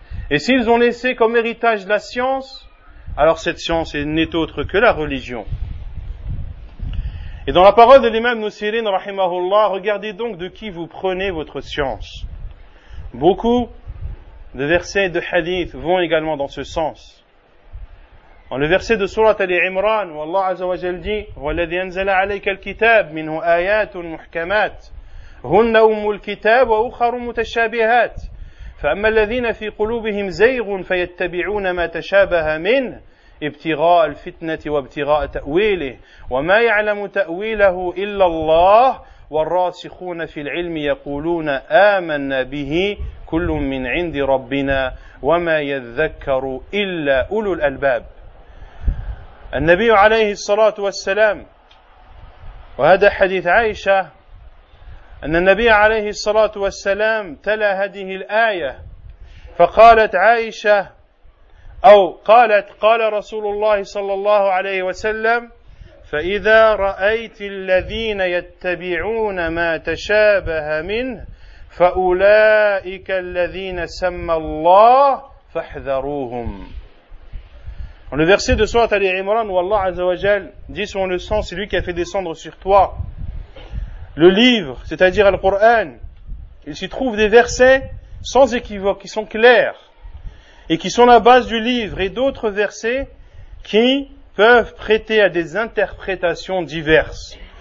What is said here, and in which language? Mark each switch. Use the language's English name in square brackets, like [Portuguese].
[French] Et s'ils ont laissé comme héritage la science, alors cette science n'est autre que la religion. Et dans la parole de l'imam Nusirin, rahimahullah, regardez donc de qui vous prenez votre science. Beaucoup de versets et de hadiths vont également dans ce sens. Dans le verset de Sourate Ali Imran, où Allah Azza wa Jal dit: [Arabic] وَالَّذِي أَنزَلَ عَلَيْكَ الْكِتَابِ مِنْهُ آيَاتٌ مُحْكَمَاتٌ هُنَّ أُمُّ الْكِتَابِ وَأُخَرُ مُتَشَابِهَاتٌ فَأَمَّا الَّذِينَ فِي قُلُوبِهِمْ زَيْغٌ فَيَتَّبِعُونَ مَا تَشَابَهَ مِنْهُ ابْتِغَاءَ الْفِتْنَةِ وَابْتِغَاءَ تَأْوِيلِهِ وَمَا يَعْلَمُ تَأْوِيلَهُ إِلَّا اللَّهُ وَالرَّاسِخُونَ فِي الْعِلْمِ يَقُولُونَ آمَنَّا بِهِ كُلٌّ مِنْ عِنْدِ رَبِّنَا وَمَا يَذَّكَّرُ إِلَّا أُولُو الْأَلْبَابِ. النبي عليه الصلاة والسلام وهذا حديث عائشة أن النبي عليه الصلاة والسلام تلا هذه الآية فقالت عائشة أو قالت قال رسول الله صلى الله عليه وسلم فإذا رأيت الذين يتبعون ما تشابه منه فأولئك الذين سمى الله فاحذروهم. [French] Dans le verset de Sourate Ali Imran, où Allah Azza wa Jal dit selon le sens, c'est lui qui a fait descendre sur toi le livre, c'est-à-dire le Coran. Il s'y trouve des versets sans équivoque, qui sont clairs, et qui sont la base du livre, et d'autres versets qui peuvent prêter à des interprétations diverses.